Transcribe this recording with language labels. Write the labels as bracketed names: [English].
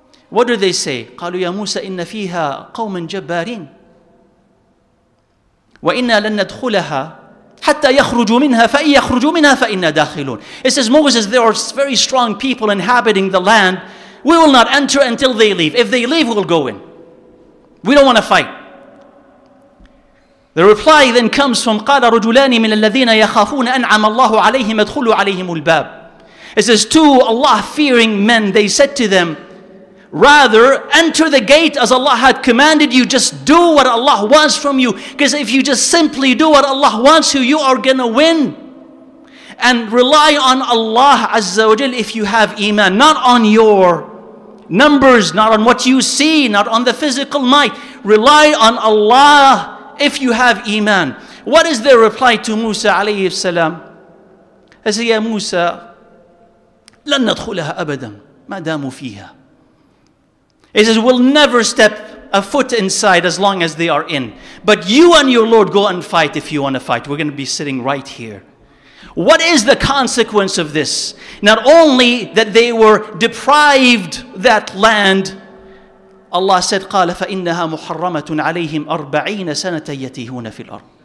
[English] What do they say? [Arabic] قَالُوا يَا مُوسَى إِنَّ فِيهَا قَوْمًا جَبَّارِينَ. وَإِنَّا لَن نَدْخُلَهَا حَتَّى يَخْرُجُوا مِنْهَا فَإِنْ يَخْرُجُوا مِنْهَا فَإِنَّا دَاخِلُونَ. [English] It says, Moses, there are very strong people inhabiting the land. We will not enter until they leave. If they leave, we will go in. We don't want to fight. The reply then comes from [Arabic] قَالَ رُجُلَانِ مِنَ الَّذِينَ يَخَافُونَ أَنْعَمَ اللَّهُ عَلَيْهِمْ أَدْخُلُوا عَلَيْهِمُ الْبَابِ. [English] It says, two Allah-fearing men, they said to them, rather, enter the gate as Allah had commanded you. Just do what Allah wants from you. Because if you just simply do what Allah wants you, you are going to win. And rely on Allah Azza wa Jal if you have iman. Not on your numbers, not on what you see, not on the physical might. Rely on Allah if you have iman. What is their reply to Musa alayhi salam? I say, ya Musa, [Arabic] لن ندخلها أبدا ما داموا فيها. [English] He says, we'll never step a foot inside as long as they are in. But you and your Lord go and fight if you want to fight. We're going to be sitting right here. What is the consequence of this? Not only that they were deprived that land, Allah said, [Arabic] قال فإنها محرمة عليهم أربعين سنة يتيهون في الأرض.